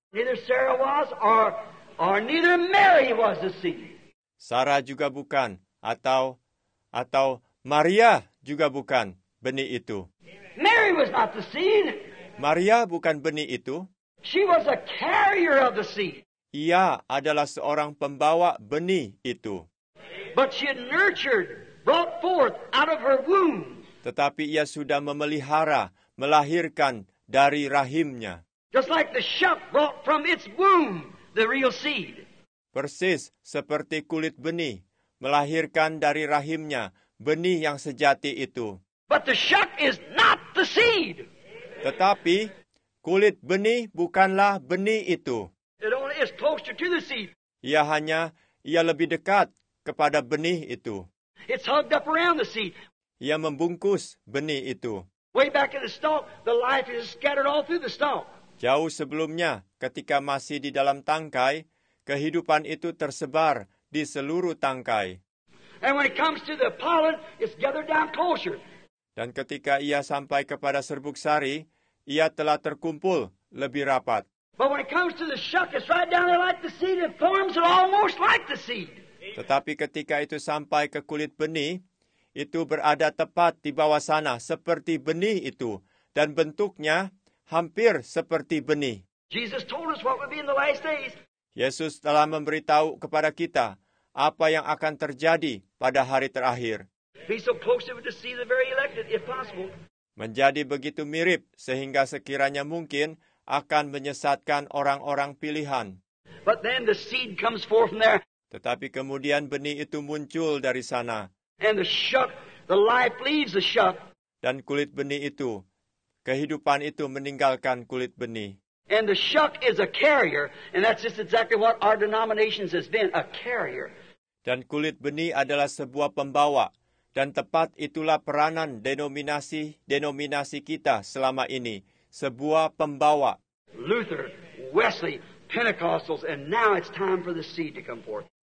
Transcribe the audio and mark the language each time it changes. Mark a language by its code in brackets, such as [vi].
[en] Neither Sarah was or neither Mary was the seed. [id] Sarah juga bukan atau Maria juga bukan benih itu. [en] Mary was not the seed. [id] Maria bukan benih itu. [en] She was a carrier of the seed. [id] Ia adalah seorang pembawa benih itu. [en] But she had nurtured, brought forth out of her womb. [id] Tetapi ia sudah memelihara, melahirkan dari rahimnya. [en] Just like the shuck brought from its womb the real seed. [id] Persis seperti kulit benih melahirkan dari rahimnya benih yang sejati itu. [en] But the shuck is not the seed. [id] Tetapi kulit benih bukanlah benih itu. [en] It only is closer to the seed. [id] Ia lebih dekat kepada benih itu. [en] It's hugged up around the seed. [id] Ia membungkus benih itu. [en] Way back in the stalk, the life is scattered all through the stalk. [id] Jauh sebelumnya, ketika masih di dalam tangkai, kehidupan itu tersebar di seluruh tangkai. [en] And when it comes to the pollen, it's gathered down closer. [id] Dan ketika ia sampai kepada serbuk sari, ia telah terkumpul lebih rapat. [en] But when it comes to the shuck, it's right down there like the seed. It forms almost like the seed. [id] Tetapi ketika itu sampai ke kulit benih, itu berada tepat di bawah sana seperti benih itu, dan bentuknya hampir seperti benih. [en] Jesus told us what would be in the last days. [id] Yesus telah memberitahu kepada kita apa yang akan terjadi pada hari terakhir. [en] Be so close to see the very elected, if possible. [id] Menjadi begitu mirip sehingga sekiranya mungkin akan menyesatkan orang-orang pilihan. [en] But then the seed comes forth from there. [id] Tetapi kemudian benih itu muncul dari sana. [en] And the shuck, the life leaves the shuck. [id] Dan kulit benih itu, kehidupan itu meninggalkan kulit benih. [en] And the shuck is a carrier, and that's just exactly what our denominations has been, a carrier. [id] Dan kulit benih adalah sebuah pembawa, dan tepat itulah peranan denominasi kita selama ini, sebuah pembawa. [en] Luther, Wesley, Pentecostals, and now it's time for the seed to come forth.